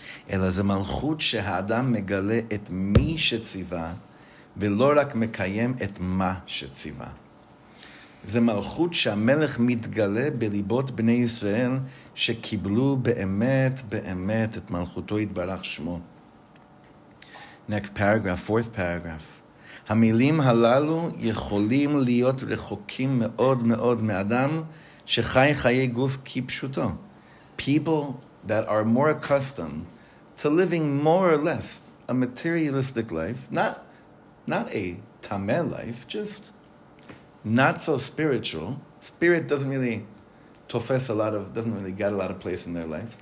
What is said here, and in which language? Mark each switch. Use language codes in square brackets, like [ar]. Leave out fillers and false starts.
[he] אלא זה מלכות שהאדם מגלה את מי שציווה, ולא רק מקיים את מה שציווה. זה מלכות שהמלך מתגלה בליבות בני ישראל, שקיבלו באמת, באמת, את מלכותו יתברך שמו. [en] Next paragraph, fourth paragraph. [he] המילים הללו יכולים להיות רחוקים מאוד מאוד מאדם שחי חיי גוף כפשוטו. [en] People that are more accustomed to living more or less a materialistic life, not a tame life, just not so spiritual. Spirit doesn't really tofes a lot of, doesn't really get a lot of place in their life.